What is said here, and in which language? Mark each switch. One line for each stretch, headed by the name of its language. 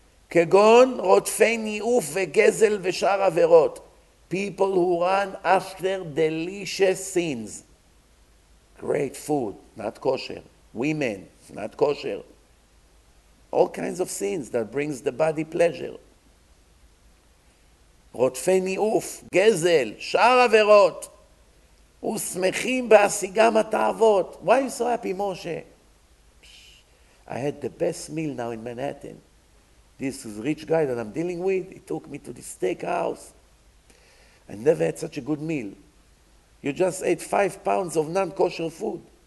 Hebrew: Kegon rotfei ni'uf vegezel v'shar averot.
English: People who run after delicious sins. Great food, not kosher. Women, not kosher. All kinds of sins that brings the body pleasure.
Hebrew: רוטפי ניאוף, גזל, שער עבירות, ושמחים בהשיגם התאוות.
English: Why are you so happy, Moshe? I had the best meal now in Manhattan. This is a rich guy that I'm dealing with. He took me to the steakhouse. I never had such a good meal. You just ate 5 pounds of non-kosher food.